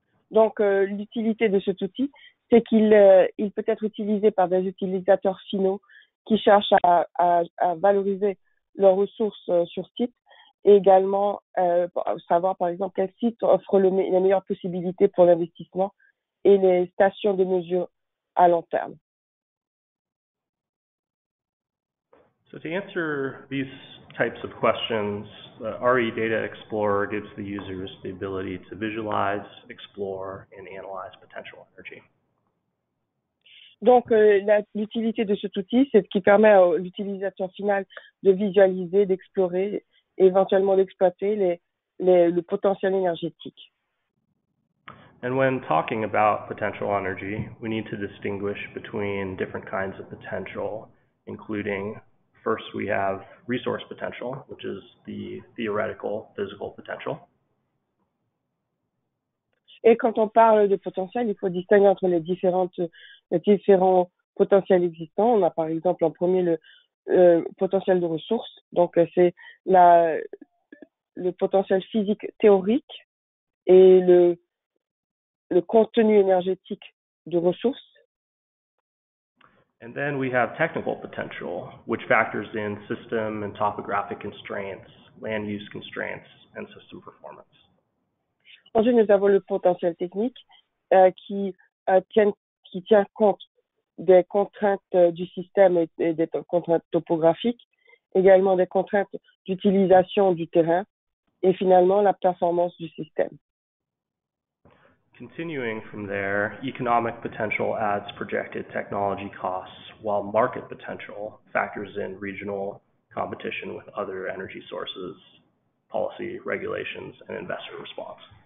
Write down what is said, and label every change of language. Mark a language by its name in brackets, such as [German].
[French] Donc, l'utilité de cet outil, c'est qu'il il peut être utilisé par des utilisateurs finaux qui cherchent à valoriser leurs ressources sur site, et également savoir, par exemple, quel site offre les meilleures possibilités pour l'investissement et les stations de mesure à long terme. [English] So to answer these types of questions, the RE Data Explorer gives the users the ability to visualize, explore, and analyze potential energy. [French] Donc, l'utilité de cet outil, c'est qu'il permet à l'utilisateur final de visualiser, d'explorer, éventuellement d'exploiter le potentiel énergétique. [English] And when talking about potential energy, we need to distinguish between different kinds of potential, including, first, we have resource potential, which is the theoretical physical potential. [French] Et quand on parle de potentiel, il faut distinguer entre les différents potentiels existants. On a par exemple en premier le potentiel de ressources. Donc c'est le potentiel physique théorique et le contenu énergétique de ressources. [English] And then we have technical potential, which factors in system and topographic constraints, land use constraints, and system performance. [French] Ensuite, nous avons le potentiel technique qui tient compte des contraintes du système et des contraintes topographiques, également des contraintes d'utilisation du terrain et finalement la performance du système. [English] Continuing from there, economic potential adds projected technology costs, while market potential factors in regional competition with other energy sources, policy regulations, and investor response.